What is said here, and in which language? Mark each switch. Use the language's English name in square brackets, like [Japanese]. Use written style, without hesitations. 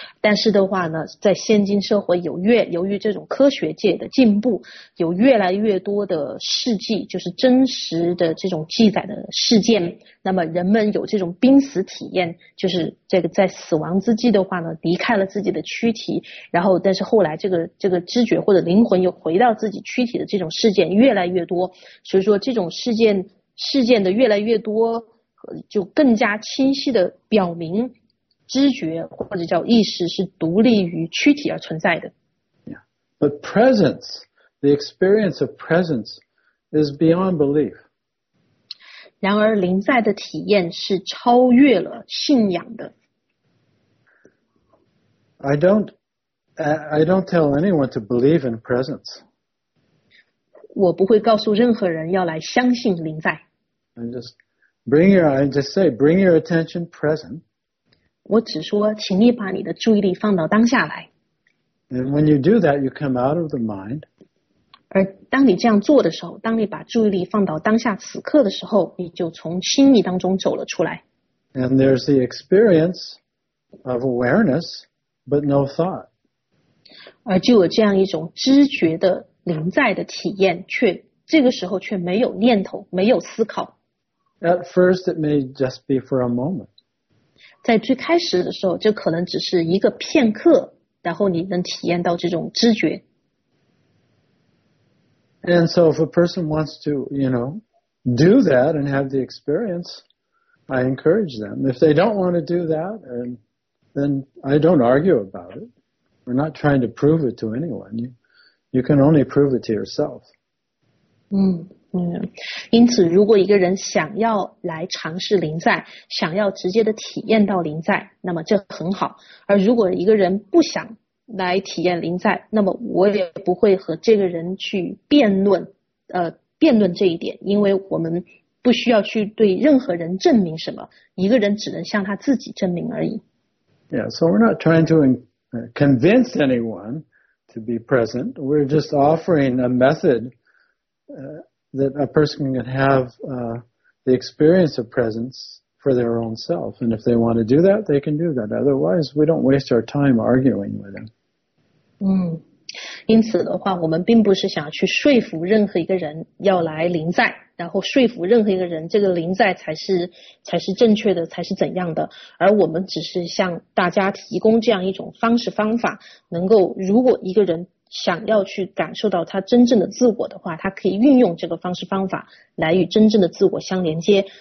[Chinese] 但是的话呢，在现今社会由于这种科学界的进步，有越来越多的事迹，就是真实的这种记载的事件，那么人们有这种濒死体验，就是这个在死亡之际的话呢，离开了自己的躯体，然后但是后来这个知觉或者灵魂又回到自己躯体的这种事件越来越多，所以说这种事件的越来越多，就更加清晰的表明知觉或者叫意识是独立于躯体而存在的。 [English] Yeah. But presence, the experience of presence is beyond belief. [Chinese] 然而临在的体验是超越了信仰的。 [English] I don't tell anyone to believe in presence. [Chinese] 我不会告诉任何人要来相信临在。 [English] I just say, bring your attention present. [Chinese] 我只说请你把你的注意力放到当下来。 [English] And when you do that, you come out of the mind. [Chinese] 而当你这样做的时候，当你把注意力放到当下此刻的时候，你就从心意当中走了出来。 [English] And there's the experience of awareness, but no thought. [Chinese] 而就有这样一种知觉的临在的体验，却这个时候却没有念头，没有思考。 [English] At first, it may just be for a moment. [Chinese] 在最开始的时候，这可能只是一个片刻，然后你能体验到这种知觉。 [English] And so if a person wants to, you know, do that and have the experience, I encourage them. If they don't want to do that, then I don't argue about it. We're not trying to prove it to anyone. You can only prove it to yourself. [Chinese] 因此如果一个人想要来尝试临在，想要直接的体验到临在，那么这很好。而如果一个人不想来体验临在，那么我也不会和这个人去辩论这一点，因为我们不需要去对任何人证明什么，一个人只能向他自己证明而已。 [English] Yeah, so we're not trying to convince anyone to be present. We're just offering a method that a person can have the experience of presence for their own self. And if they want to do that, they can do that. Otherwise, we don't waste our time arguing with them. [Chinese] 因此的话，我们并不是想去说服任何一个人要来临在，然后说服任何一个人这个临在才是正确的，才是怎样的。而我们只是向大家提供这样一种方式方法，能够如果一个人想要去感受到他真正的自我的话，他可以运用这个方式方法来与真正的自我相连接。